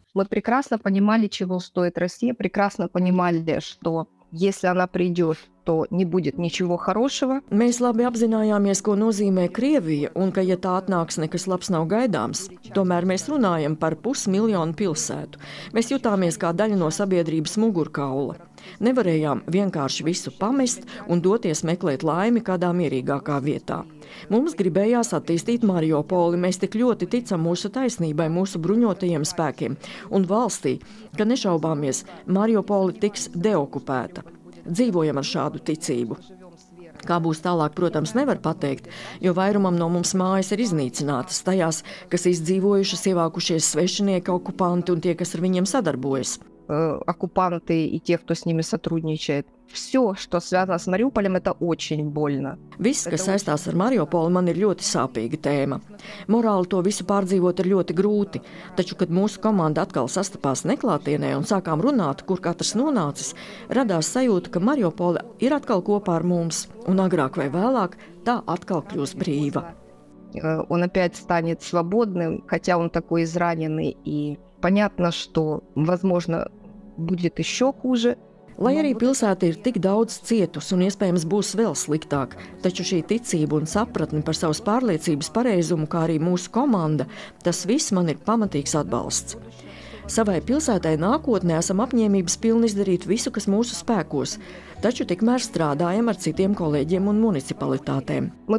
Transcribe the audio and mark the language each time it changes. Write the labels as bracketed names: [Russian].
[Russian] Мы прекрасно понимали, чего стоит Россия, прекрасно понимали, что если она придёт, то не будет ничего хорошего. [Latvian] Mēs labi apzinājāmies, ko nozīmē Krievija, un ka, ja tā atnāks, nekas labs nav gaidāms. Tomēr mēs runājam par pusmiljonu pilsētu. Mēs jutāmies kā daļa no sabiedrības mugurkaula. Nevarējām vienkārši visu pamest un doties meklēt laimi kādā mierīgākā vietā. Mums gribējās attīstīt Mariupoli, mēs tik ļoti ticam mūsu taisnībai, mūsu bruņotajiem spēkiem un valstī, ka nešaubāmies, Mariupoli tiks deokupēta. Dzīvojam ar šādu ticību. Kā būs tālāk, protams, nevar pateikt, jo vairumam no mums mājas ir iznīcinātas tajās, kas izdzīvojušas, ievākušies svešinieki, okupanti un tie, kas ar viņiem sadarbojas. [Russian] Okupanti i [Latvian] tie, [Russian] kto s nimi satrudničiet. Все, что связано с Мариуполем, это очень больно. [Latvian] Viss, kas saistās ar Mariupoli, man ir ļoti sāpīga tēma. Morāli to visu pārdzīvot ir ļoti grūti, taču, kad mūsu komanda atkal sastapās neklātienē un sākām runāt, kur katrs nonācis, radās sajūta, ka Mariupole ir atkal kopā ar mums, un agrāk vai vēlāk tā atkal kļūs brīva. [Russian] Он опять станет свободным, хотя он такой израненный, и понятно, что, возможно, будет еще хуже. [Latvian] Lai arī pilsēta ir tik daudz cietus un iespējams būs vēl sliktāk, taču šī ticība un sapratne par savas pārliecības pareizumu, kā arī mūsu komanda, tas viss man ir pamatīgs atbalsts. Savai pilsētai nākotnē esam apņēmības pilni izdarīt visu, kas mūsu spēkos, taču tikmēr strādājam ar citiem kolēģiem un municipalitātēm.